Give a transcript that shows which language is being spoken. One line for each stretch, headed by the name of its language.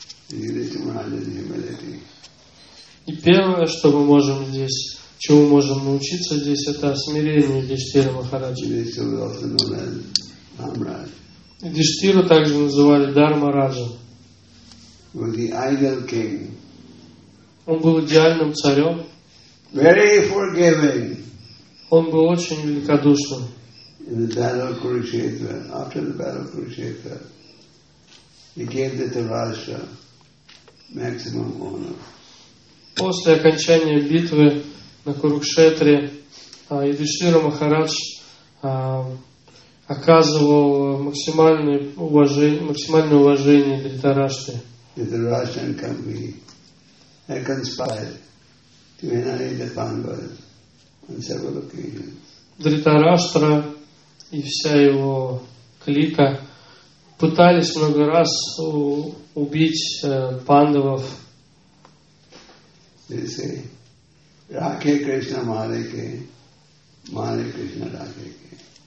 Russian: И первое, что мы можем здесь, чему можем научиться здесь, это смирение Юдхиштхира Махараджа. Юдхиштхира также называли Дхармараджа. Он был идеальным царем.
English: Very forgiving.
Russian: Он был очень великодушным.
English: In the battle of Kurukshetra, after the battle of Kurukshetra, he gave the Dhritarashtra maximum honor.
Russian: После окончания битвы на Курукшетре Юдхиштхира Махарадж оказывал максимальное уважение Дхритарашти.
English: Dhritarashtra and company. I conspired to annihilate the Pandavas on several occasions.
Russian: Дритараштра и вся его клика пытались много раз убить пандавов.
English: They say, Rake Krishna Malike, Malik Krishna Rake.